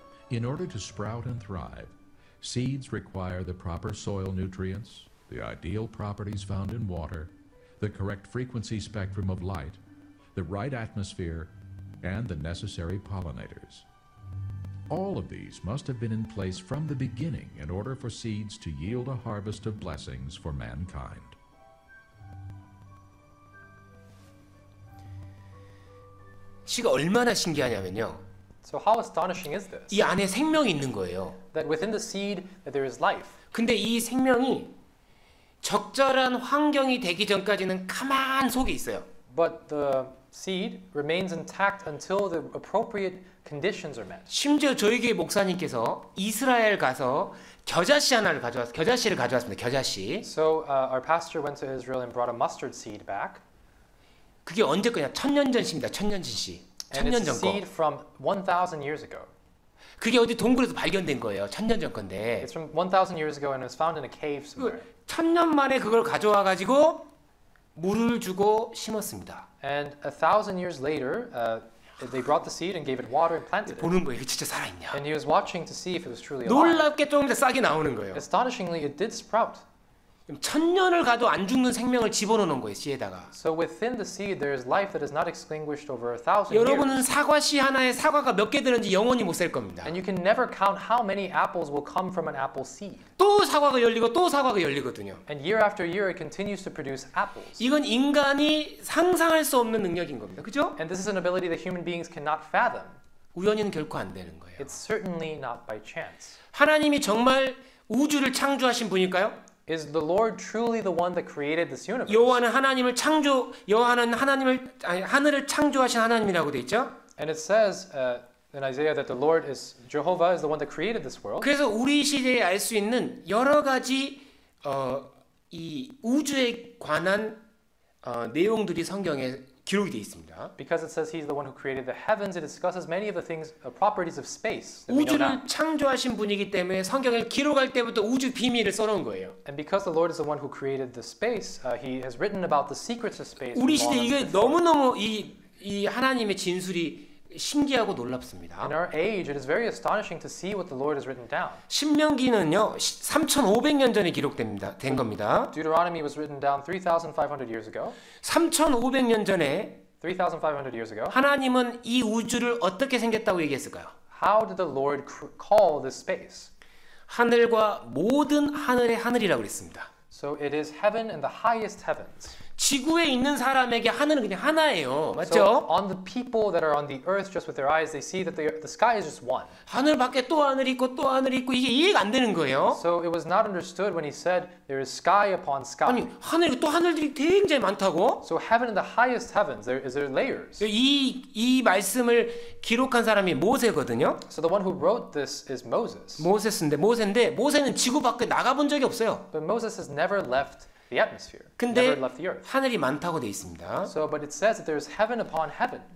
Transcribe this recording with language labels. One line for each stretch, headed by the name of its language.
English: In order to sprout and thrive, seeds require the proper soil nutrients, the ideal properties found in water, the correct frequency spectrum of light, the right atmosphere, and the necessary pollinators. All of these must have been in place from the beginning in order for seeds to yield a harvest of blessings for mankind.
Korean: 씨가 얼마나 신기하냐면요.
English: So how astonishing is this?
Korean: 이 안에 생명이 있는 거예요.
English: That within the seed that there is life.
Korean: 근데 이 생명이 적절한 환경이 되기 전까지는 가만 속에 있어요.
English: But the seed remains intact until the appropriate conditions are met.
Korean: 심지어 저희 교회 목사님께서 이스라엘 가서 겨자씨 하나를 가져왔어. 겨자씨를 가져왔습니다. 겨자씨.
English: So our pastor went to Israel and brought a mustard seed back.
Korean: 그게 언제 거냐? 천년 전입니다. 천년 전 씨.
English: And it's a seed from 1,000 years ago.
Korean: 그게 어디 동굴에서 발견된 거예요. 천년 전 건데.
English: It's from 1,000 years ago and it was found in a cave somewhere.
Korean: 천년 만에 그걸 가져와 가지고 물을 주고 심었습니다.
English: And a thousand years later, they brought the seed and gave it water and planted it.
Korean: 보는 거예요, 이게 진짜 살아있냐?
English: And he was watching to see if it was truly alive.
Korean: 놀랍게 조금 더 싹이 나오는 거예요.
English: Astonishingly, it did sprout.
Korean: 천년을 가도 안 죽는 생명을 집어넣는 거예요, 씨에다가.
English: So within the seed, there is life that is not extinguished over a thousand years.
Korean: 여러분은 사과 씨 하나에 사과가 몇 개 되는지 영원히 못 셀 겁니다.
English: And you can never count how many apples will come from an apple seed.
Korean: 또 사과가 열리고 또 사과가 열리거든요.
English: And year after year, it continues to produce apples.
Korean: 이건 인간이 상상할 수 없는 능력인 겁니다, 그죠?
English: And this is an ability that human beings cannot fathom.
Korean: 우연히는 결코 안 되는 거예요.
English: It's certainly not by chance.
Korean: 하나님이 정말 우주를 창조하신 분일까요?
English: Is the Lord truly the one that created this universe?
Korean: 요한은 하나님을 창조, 요한은 하나님을 아니, 하늘을 창조하신 하나님이라고 돼 있죠?
English: And it says in Isaiah that the Lord is Jehovah is the one that created this world.
Korean: 그래서 우리 시대에 알 수 있는 여러 가지 이 우주에 관한 내용들이 성경에 기록이 돼 있습니다.
English: Because it says he's the one who created the heavens, it discusses many of the things, the properties of space.
Korean: 우주를 창조하신 분이기 때문에 성경을 기록할 때부터 우주 비밀을 써놓은 거예요.
English: And because the Lord is the one who created the space, he has written about the secrets of space.
Korean: 우리 시대 이게 너무너무 이 하나님의 진술이 신기하고 놀랍습니다.
English: In our age, it is very astonishing to see what the Lord has written down.
Korean: 신명기는요, 3,500년 전에 기록됩니다. 된 겁니다.
English: Deuteronomy was written down 3,500 years ago.
Korean: 3,500년 전에
English: 3,500 years ago.
Korean: 하나님은 이 우주를 어떻게 생겼다고 얘기했을까요?
English: How did the Lord call this space?
Korean: 하늘과 모든 하늘의 하늘이라고 했습니다.
English: So it is heaven and the highest heavens.
Korean: 지구에 있는 사람에게 하늘은 그냥 하나예요. 맞죠?
English: So on the people that are on the earth just with their eyes they see that the sky is just one.
Korean: 하늘 밖에 또 하늘 있고 또 하늘 있고 이게 이해가 안 되는 거예요.
English: So it was not understood when he said there is sky upon sky.
Korean: 아니, 하늘 또 하늘들이 굉장히 많다고?
English: So heaven and the highest heavens there are layers.
Korean: 이 말씀을 기록한 사람이 모세거든요.
English: So the one who wrote this is Moses.
Korean: 모세인데 모세는 지구 밖에 나가 본 적이 없어요.
English: But Moses has never left the atmosphere.
Korean: 근데
English: never left the earth.
Korean: 하늘이 많다고 돼 있습니다.
English: So, but it says that there's heaven upon heaven.